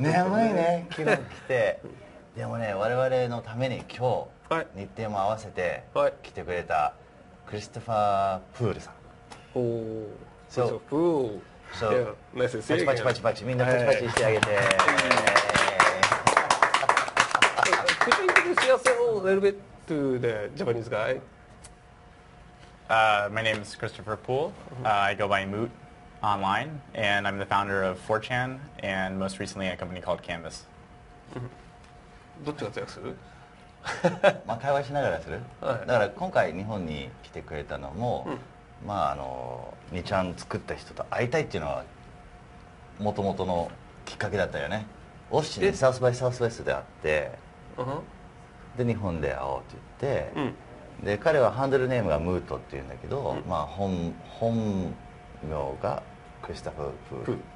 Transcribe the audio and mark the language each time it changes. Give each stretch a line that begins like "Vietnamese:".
Japanese: ちょっとね。眠いね、昨日来てでもね、我々のために今日、はい、日程も合わせて来てくれたクリストファー・プールさん、はい、おお、そう、プール、そう、ナイス、パチパチパチパチ、みんなパチパチしてあげて、
English: Could you introduce yourself a little bit to the Japanese guy? My name is Christopher Poole. I go by Moot online, and I'm the founder of 4chan, and most recently a company called Canvas.
Japanese: どっちが強くする？まあ会話しながらする。だから今回日本に来てくれたのも、まあ、にちゃん作った人と会いたいっていうのはもともとのきっかけだったよね。オッシーにサウスバイサウスウェストで会って、で日本で会おうって言って、で彼はハンドルネームがムートっていうんだけど、まあ本名がクリストファー・プール